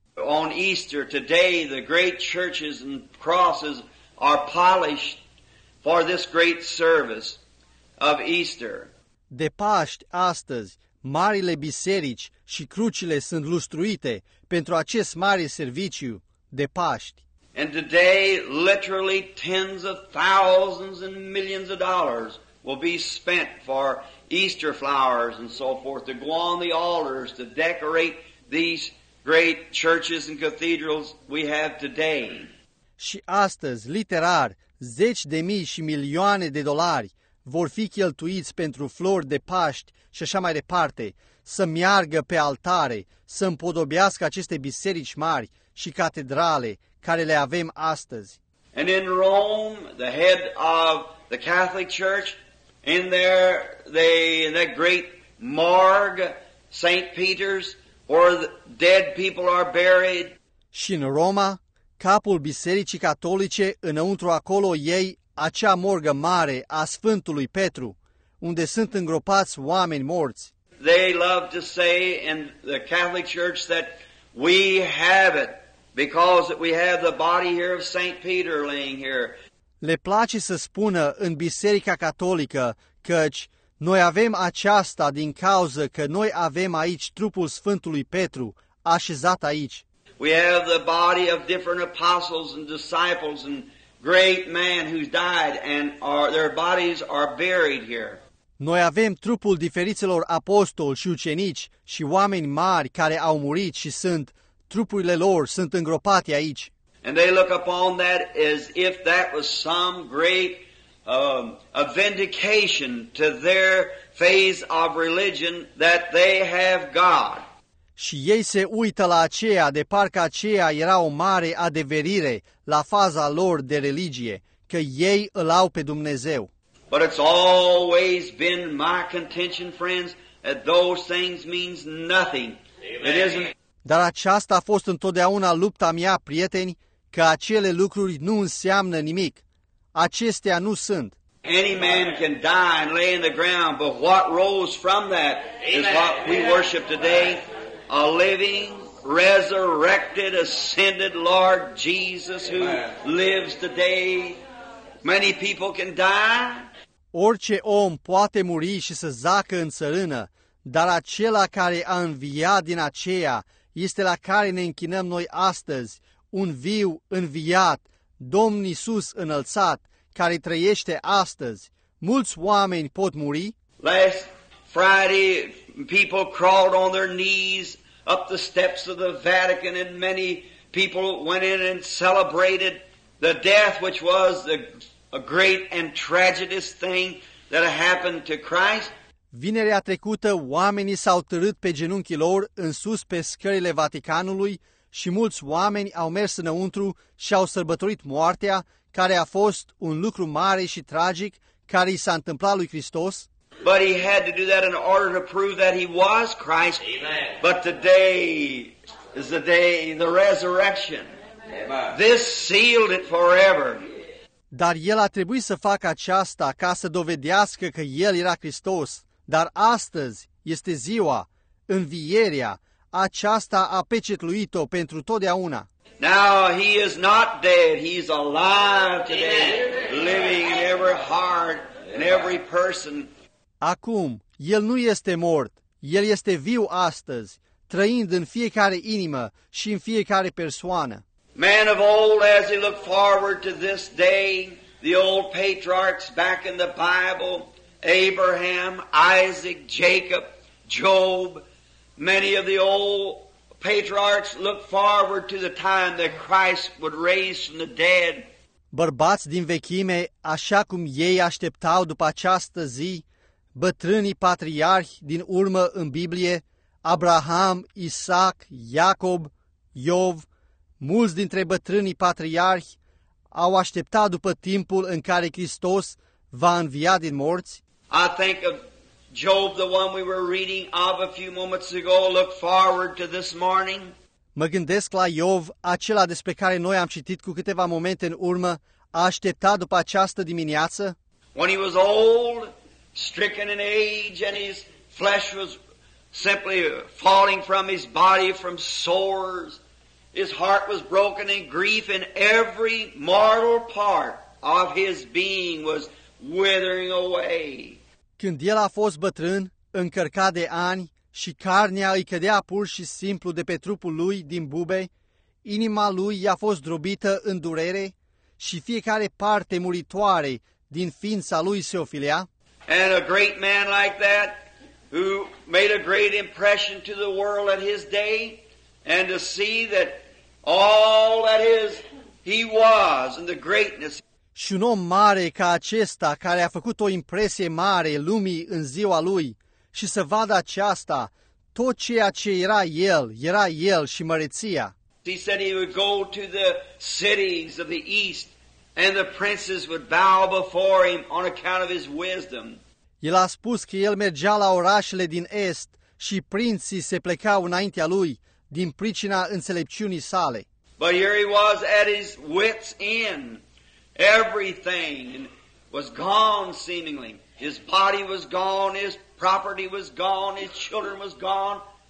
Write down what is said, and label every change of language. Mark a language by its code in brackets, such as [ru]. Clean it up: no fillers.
[en] On Easter today, the great churches and crosses are polished for this great service of Easter. [ro] De Paști astăzi, marile biserici și crucile sunt lustruite pentru acest mare serviciu de Paști. [en] And today, literally tens of thousands and millions of dollars will be spent for Easter flowers and so forth to go on the altars to decorate these great churches and cathedrals we have today. [ro] Și astăzi, literar, zeci de mii și milioane de dolari vor fi cheltuiți pentru flori de Paști și așa mai departe, să meargă pe altare, să împodobească aceste biserici mari și catedrale care le avem astăzi. [en] And in Rome, the head of the Catholic Church, in there, in that great morgue, St. Peter's, where the dead people are buried. [ro] Și în Roma, capul Bisericii Catolice, înăuntru acolo ei, acea morgă mare a Sfântului Petru, unde sunt îngropați oameni morți. [en] They love to say in the Catholic Church that we have it because we have the body here of St. Peter laying here. [ro] Le place să spună în Biserica Catolică căci noi avem aceasta din cauza că noi avem aici trupul Sfântului Petru așezat aici. [en] We have the body of different apostles and disciples and great man who died and their bodies are buried here. [ro] Noi avem trupul diferiților apostoli și ucenici și oameni mari care au murit și sunt trupurile lor sunt îngropate aici. [en] And they look upon that as if that was some great a vindication to their phase of religion that they have God. [ro] Și ei se uită la aceea de parcă aceea era o mare adeverire la faza lor de religie, că ei îl au pe Dumnezeu. [en] But it's always been my contention, friends, that those things means nothing. It isn't. [ro] Dar aceasta a fost întotdeauna lupta mea, prieteni, că acele lucruri nu înseamnă nimic. Acestea nu sunt. [en] Any man can die and lay in the ground, but what rose from that is what we worship today. A living, resurrected, ascended Lord Jesus who lives today. Many people can die. [ro] Orice om poate muri și să zacă în țărână, dar acela care a înviat din aceea este la care ne închinăm noi astăzi, un viu înviat, Domn Iisus înălțat, care trăiește astăzi. Mulți oameni pot muri. [en] Last Friday, people crawled on their knees up the steps of the Vatican and many people went in and celebrated the death which was a great and tragic thing that happened to Christ. [ro] Vinerea trecută, oamenii s-au târât pe genunchii lor în sus pe scările Vaticanului și mulți oameni au mers înăuntru și au sărbătorit moartea, care a fost un lucru mare și tragic care i s-a întâmplat lui Hristos. [en] But he had to do that in order to prove that he was Christ. Amen. But today is the day the resurrection. Amen. This sealed it forever. [ro] Dar el a trebuit să facă aceasta ca să dovedească că el era Hristos, dar astăzi este ziua, învierea, aceasta a pecetluit-o pentru totdeauna. [en] Now he is not dead, he's alive today, living in every heart and every person. [ro] Acum, el nu este mort, el este viu astăzi, trăind în fiecare inimă și în fiecare persoană. [en] Man of old, as he looked forward to this day, the old patriarchs back in the Bible, Abraham, Isaac, Jacob, Job, many of the old patriarchs looked forward to the time that Christ would raise from the dead. [ro] Bărbați din vechime, așa cum ei așteptau după această zi, bătrânii patriarhi din urmă în Biblie, Abraham, Isaac, Iacob, Iov, mulți dintre bătrânii patriarhi au așteptat după timpul în care Hristos va învia din morți. [en] I think of Job, the one we were reading of a few moments ago, look forward to this morning. [ro] Mă gândesc la Iov, acela despre care noi am citit cu câteva momente în urmă, a așteptat după această dimineață. [en] When he was old, stricken in age, and his flesh was simply falling from his body from sores, his heart was broken in grief, and every mortal part of his being was withering away. [ro] Când el a fost bătrân, încărcat de ani, și carnea îi cădea pur și simplu de pe trupul lui din bube, inima lui i-a fost zdrobită în durere și fiecare parte muritoare din ființa lui se ofilea. [en] And a great man like that, who made a great impression to the world at his day, and to see that all that is he was and the greatness. [ro] Și un om mare ca acesta, care a făcut o impresie mare lumii în ziua lui, și să vadă aceasta, tot ceea ce era el, era el și măreția. [en] He said he would go to the cities of the east, and the princes would bow before him on account of his wisdom. [ro] El a spus că el mergea la orașele din est și prinții se plecau înaintea lui din pricina înțelepciunii sale. [en] But here he was at his wit's end. Everything was gone seemingly. His body was gone, his property was gone, his children was gone.